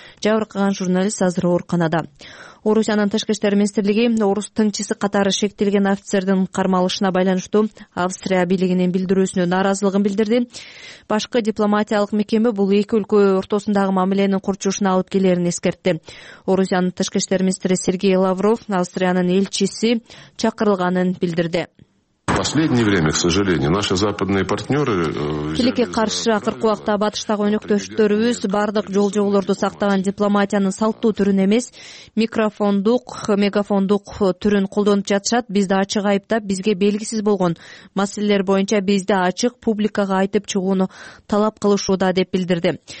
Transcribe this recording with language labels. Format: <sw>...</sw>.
<ky>Жабыркаган журналист азыр ооруканада. Орусиянын тышкы иштер министрлиги орус тыңчысы катары шектелген офицердин кармалышына байланыштуу Австрия бийлигинин билдирүүсүнө нааразылыгын билдирди. Башкы дипломатиялык мекеме бул эки өлкө ортосундагы мамиленин курчушуна алып келерин эскертти. Орусиянын тышкы иштер министри Сергей Лавров Австриянын элчиси чакырылганын билдирди.</ky> <ru>Последнее время, к сожалению, наши западные партнеры...</ru> <ky>Тилекке каршы акыркы убакта батыштагы өнөктөштөрүбүз бардык жол-жоолорду сактаган дипломатиянын салттуу түрүн эмес, микрофондук, мегафондук түрүн колдонуп жатышат. Бизди ачык айыптап, бизге белгисиз болгон маселелер боюнча бизди ачык публикага айтып чыгууну талап кылышууда, деп билдирди.</ky>